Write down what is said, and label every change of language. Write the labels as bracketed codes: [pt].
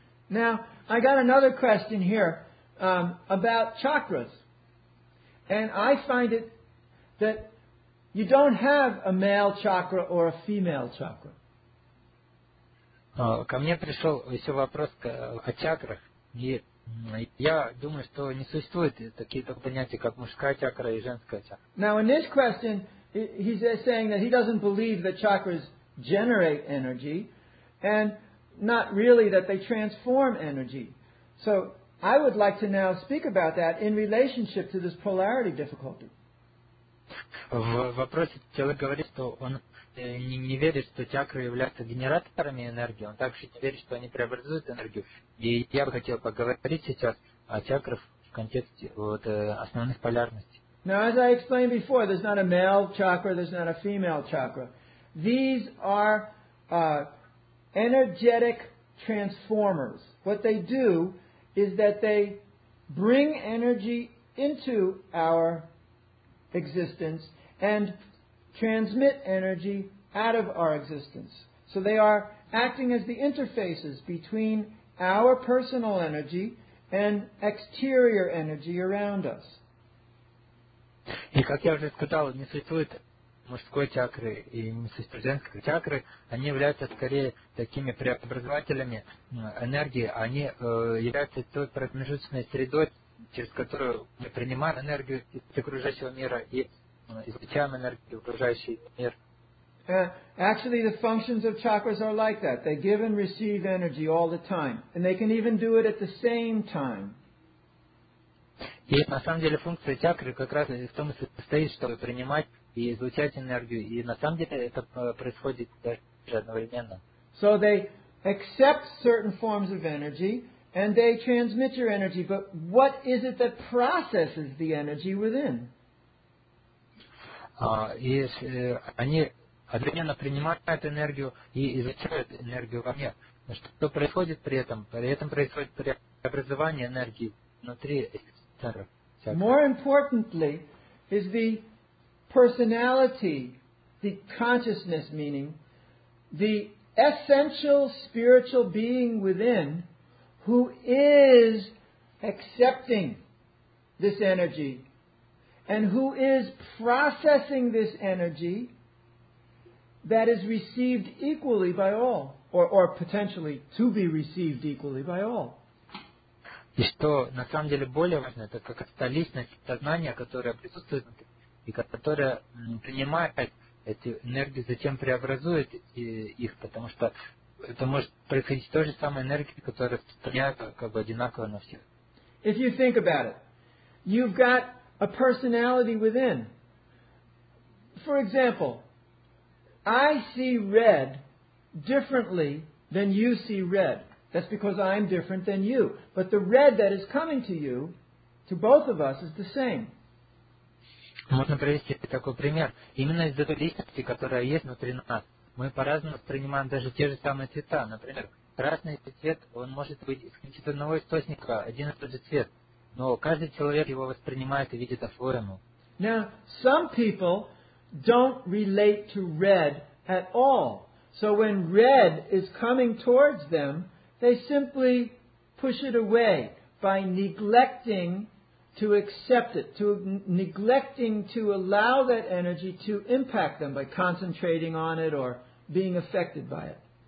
[en] Now, I got another question here about chakras. And I find it that you don't have a male chakra or a female chakra. [ru] Ко мне пришел еще вопрос о чакрах. И я думаю, что не существует такие понятия, как мужская чакра и женская чакра. [en] Now, in this question, he's saying that he doesn't believe that chakras generate energy. and not really that they transform energy. So I would like to now speak about that in relationship to this polarity difficulty. [ru] В вопросе человек говорит, что он не верит, что чакры являются генераторами энергии, он также не верит, что они преобразуют энергию. И я бы хотел поговорить сейчас о чакрах в контексте вот, основных полярностей. [en] Now, as I explained before, there's not a male chakra, there's not a female chakra. These are energetic transformers. What they do is that they bring energy into our existence and transmit energy out of our existence. So they are acting as the interfaces between our personal energy and exterior energy around us. [ru] И как я уже сказал, не существует мужской чакры и не существует женской чакры. Они являются скорее такими преобразователями энергии. Они являются той промежуточной средой, через которую мы принимаем энергию из окружающего мира и излучаем энергию в окружающий мир. [en] Actually, the functions of chakras are like that. They give and receive energy all the time. And they can even do it at the same time. [ru] И на самом деле функция чакры как раз в том и состоит, чтобы принимать и излучать энергию. И на самом деле это происходит даже одновременно. [en] So they accept certain forms of energy and they transmit your energy. But what is it that processes the energy within? [ru] Они одновременно принимают энергию и излучают энергию во мне. Что происходит при этом? При этом происходит преобразование энергии внутри. [en] More importantly is the personality, the consciousness, meaning the essential spiritual being within who is accepting this energy and who is processing this energy that is received equally by all, or potentially to be received equally by all. [ru] И что на самом деле более важно, это как та личность, сознание, которое присутствует внутри, и которое принимает эту энергию, затем преобразует их, потому что это может происходить той же самой энергией, которая распространяется как бы одинаково на всех. [en] If you think about it, you've got a personality within. For example, I see red differently than you see red. That's because I'm different than you. But the red that is coming to you, to both of us, is the same. [ru] Можно привести такой пример. Именно из-за той личности, которая есть внутри нас, мы по-разному воспринимаем даже те же самые цвета. Например, красный цвет, он может быть из какого-то одного источника, один и тот же цвет. Но каждый человек его воспринимает и видит по-своему. [en] Now, some people don't relate to red at all. So when red is coming towards them, they simply push it away by neglecting to accept it, to neglecting to allow that energy to impact them by concentrating on it or being affected by it.